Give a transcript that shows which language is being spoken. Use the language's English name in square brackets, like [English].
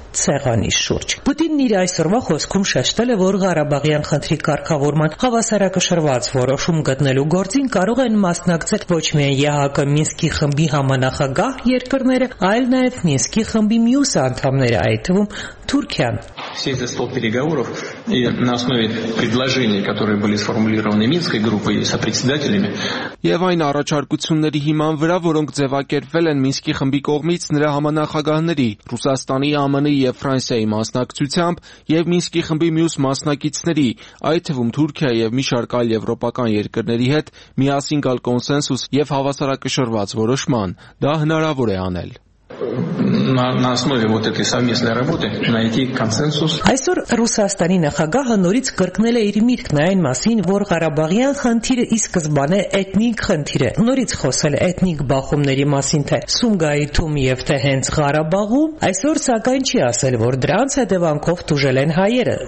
[Armenian] ցեղանի շուրջ։ Պուտինն իր այսօրվա խոսքում շեշտել է, որ Ղարաբաղյան խնդրի կարգավորման հավասարակշռված որոշում գտնելու գործին կարող են մասնակցել ոչ միայն ԵՀԿ Մինսկի խմբի համանախագահ երկրները, այլ նաեւ Մինսկի խմբի մյուս անդամները, այդ թվում Թուրքիան։ [Russian] Все за стол переговоров и на основе предложений, которые были сформулированы Минской группой и сопредседателями. [Armenian] Եվ այն առաջարկությունների հիման վրա, որոնք ձևակերպվել են Մինսկի խմբի կողմից նրա համանախագահների, Ռուսաստանի, ԱՄՆ-ի եւ Ֆրանսիայի մասնակցությամբ եւ Մինսկի խմբի մյուս մասնակիցների, այդ թվում Թուրքիա եւ մի շարք այլ եվրոպական երկրների հետ միասին գալ կոնսենսուս եւ հավասարակշռված որոշման, դա հնարավոր է անել։ [Russian] На основе вот этой совместной работы найти консенсус. [Armenian] Այսօր Ռուսաստանի նախագահը նորից կրկնել է իր միտքն այն մասին, որ Ղարաբաղյան խնդիրը ի սկզբանե էթնիկ խնդիր է։ Նորից խոսել էթնիկ բախումների մասին, թե Սումգայիթում եւ թե հենց Ղարաբաղում, այսօր սակայն չի ասել, որ դրանց հետևանքով դժվել են հայերը։